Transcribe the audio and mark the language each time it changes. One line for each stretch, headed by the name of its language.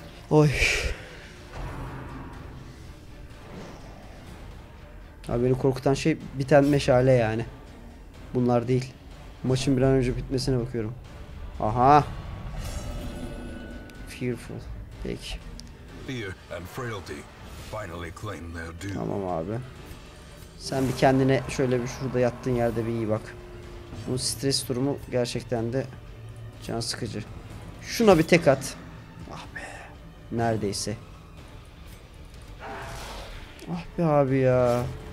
Turkish: Oy. Abi beni korkutan şey biten meşale yani. Bunlar değil. Maçın bir an önce bitmesine bakıyorum. Aha. Fearful. Peki.
English: Fear and frailty finally claim their due.
Turkish: Tamam abi. Sen bir kendine şöyle bir şurada yattığın yerde bir iyi bak. Bu stres durumu gerçekten de can sıkıcı. Şuna bir tek at. Ah be. Neredeyse. Ah be abi ya.